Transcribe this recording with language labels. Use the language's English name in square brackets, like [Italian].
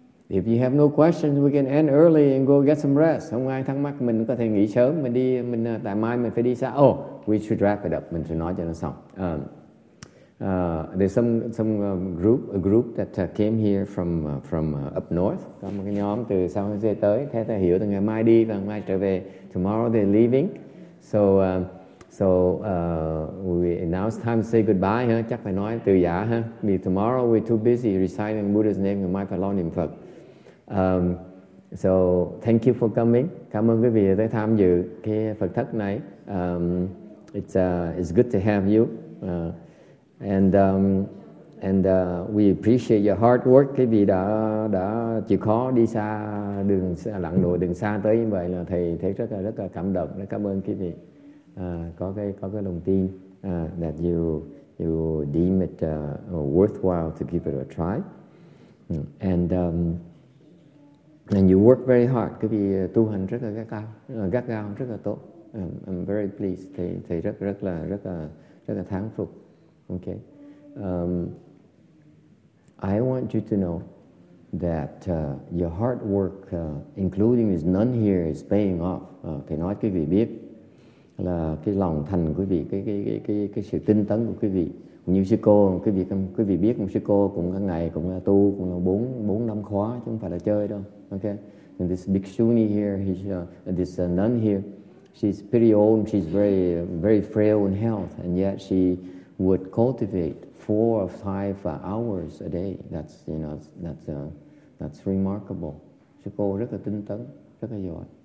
[English] If you have no questions, we can end early and go get some rest. [Vietnamese] Không ai thắc mắc, mình có thể nghỉ sớm, mình đi, mình tại mai mình phải đi xa. [English] Oh, we should wrap it up. [Vietnamese] Mình sẽ nói cho nó xong. [English] There's some group, a group that came here from up north. [Vietnamese] Có một cái nhóm từ San Jose tới. Thế ta hiểu từ ngày mai đi và ngày mai trở về. [English] Tomorrow they're leaving. So now it's time to say goodbye. Huh? [Vietnamese] Chắc phải nói từ giả. [English] Huh? Vì tomorrow we're too busy reciting Buddha's name. [Vietnamese] Ngày mai phải lo niệm Phật. [English] So thank you for coming. [Vietnamese] Cảm ơn quý vị đã tham dự cái Phật thất này. [English] It's good to have you. We appreciate your hard work. [Vietnamese] Quý vị đã chịu khó đi xa đường lặn lội đường xa tới như vậy là thầy rất là cảm động. Rất cảm ơn quý vị. Có cái lòng tin [English] that you deem it worthwhile to give it a try. And you work very hard. [Vietnamese] Quý vị tu hành rất là gắt gao, rất là tốt. [English] I'm very pleased. [Vietnamese] Thầy rất là thán phục. [English] Okay. I want you to know that your hard work, including this nun here, is paying off. [Vietnamese] Thầy nói quý vị biết là cái lòng thành của quý vị, cái sự tinh tấn của quý vị, cũng như sư cô, quý vị biết một sư cô cũng cả ngày cũng tu cũng là 4 năm khóa chứ không phải là chơi đâu. [English] Okay, and this bhikshuni here, he's, this nun here, she's pretty old, she's very very frail in health, and yet she would cultivate 4 or 5 hours a day. That's, you know, that's remarkable. [Vietnamese] Sư cô rất là tinh tấn, rất là giỏi.